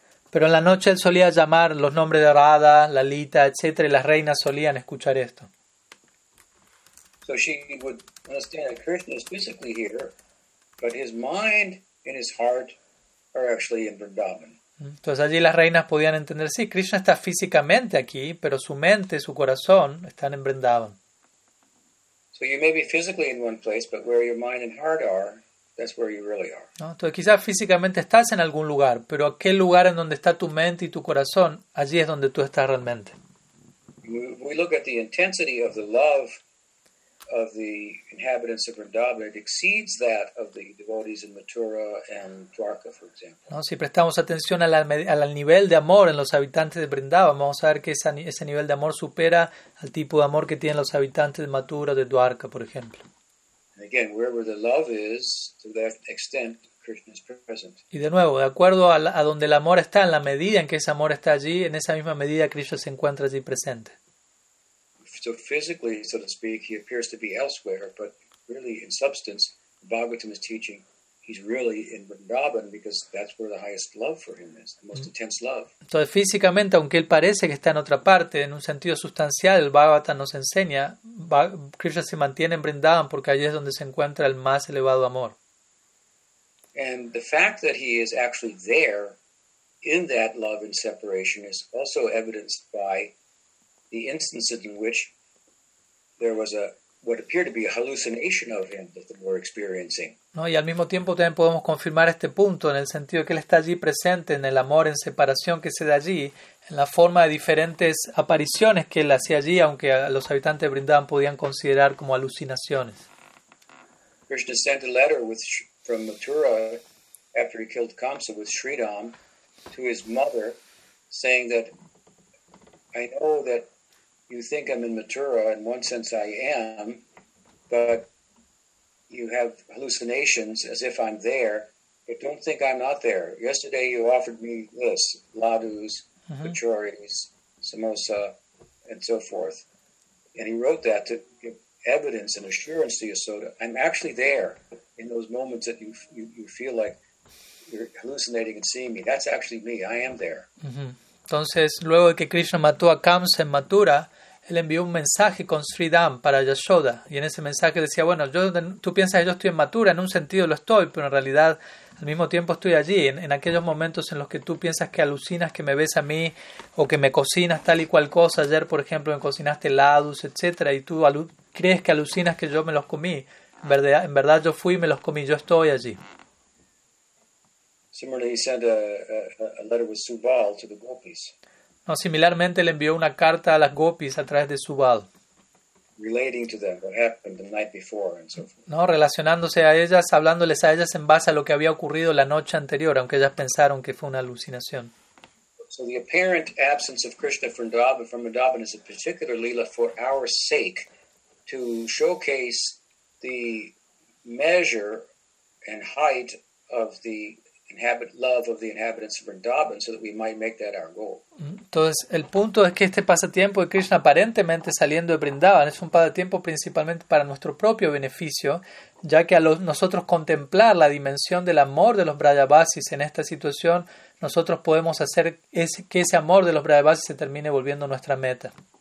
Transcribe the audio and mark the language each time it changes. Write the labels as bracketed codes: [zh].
[es] Pero en la noche él solía llamar los nombres de Radha, Lalita, etc. Y las reinas solían escuchar esto. [en] So she would understand that Krishna is physically here, but his mind and his heart are actually in Vrindavan. [es] Entonces allí las reinas podían entender, sí, Krishna está físicamente aquí, pero su mente, su corazón, están en Vrindavan. [en] So you may be physically in one place, but where your mind and heart are, that's where you really are. [es] ¿No? Entonces quizás físicamente estás en algún lugar, pero aquel lugar en donde está tu mente y tu corazón, allí es donde tú estás realmente. [en] We look at the intensity of the love of the inhabitants of Vrindavan, it exceeds that of the devotees in Mathura and Dwarka, for example. [es] No, si prestamos atención al nivel de amor en los habitantes de Vrindavan, vamos a ver que ese nivel de amor supera al tipo de amor que tienen los habitantes de Mathura o de Dwarka, por ejemplo. [en] And again, wherever the love is, to that extent, Krishna is present. [es] Y de nuevo, de acuerdo a donde el amor está, en la medida en que ese amor está allí, en esa misma medida Krishna se encuentra allí presente. [en] So physically, so to speak, he appears to be elsewhere, but really in substance, Bhagavatam is teaching he's really in Vrindavan because that's where the highest love for him is, the most intense love. [es] Entonces físicamente, aunque él parece que está en otra parte, en un sentido sustancial, el Bhagavatam nos enseña, Krishna se mantiene en Vrindavan porque allí es donde se encuentra el más elevado amor. [en] And the fact that he is actually there in that love and separation is also evidenced by the instances in which there was what appeared to be a hallucination of him that they were experiencing. [es] No, y al mismo tiempo también podemos confirmar este punto en el sentido que él está allí presente en el amor en separación que se da allí, en la forma de diferentes apariciones que él hacía allí, aunque a los habitantes de Vrindavan podían considerar como alucinaciones. [en] Krishna sent a letter from Mathura after he killed Kamsa with Sridham to his mother, saying that, I know that you think I'm in Mathura, in one sense I am, but you have hallucinations as if I'm there, but don't think I'm not there. Yesterday you offered me this, ladus, kachoris, samosa, and so forth. And he wrote that to give evidence and assurance to Yasoda, I'm actually there in those moments that you feel like you're hallucinating and seeing me. That's actually me. I am there. Mm-hmm. [es] Entonces, luego de que Krishna mató a Kamsa en Mathura, él envió un mensaje con Sridham para Yashoda. Y en ese mensaje decía, bueno, tú piensas que yo estoy en Mathura, en un sentido lo estoy, pero en realidad al mismo tiempo estoy allí, en aquellos momentos en los que tú piensas que alucinas, que me ves a mí, o que me cocinas tal y cual cosa. Ayer, por ejemplo, me cocinaste ladus, etcétera, y tú crees que alucinas que yo me los comí. En verdad yo fui y me los comí, yo estoy allí. [en] Similarly, he sent a letter with Subal to the Gopis. [es] No, similarmente le envió una carta a las Gopis a través de Subal. [en] Relating to them what happened the night before and so forth. [es] No, relacionándose a ellas, hablándoles a ellas en base a lo que había ocurrido la noche anterior, aunque ellas pensaron que fue una alucinación. [en] So the apparent absence of Krishna from Vrindavan is a particular lila for our sake to showcase the measure and height of the love of the inhabitants of Vrindavan, so that we might make that our goal. [es] Entonces, el punto es que este pasatiempo de Krishna aparentemente saliendo de Vrindavan es un pasatiempo principalmente para nuestro propio beneficio, ya que nosotros contemplar la dimensión del amor de los Vrayavasis en esta situación, nosotros podemos hacer que ese amor de los Vrayavasis se termine volviendo nuestra meta.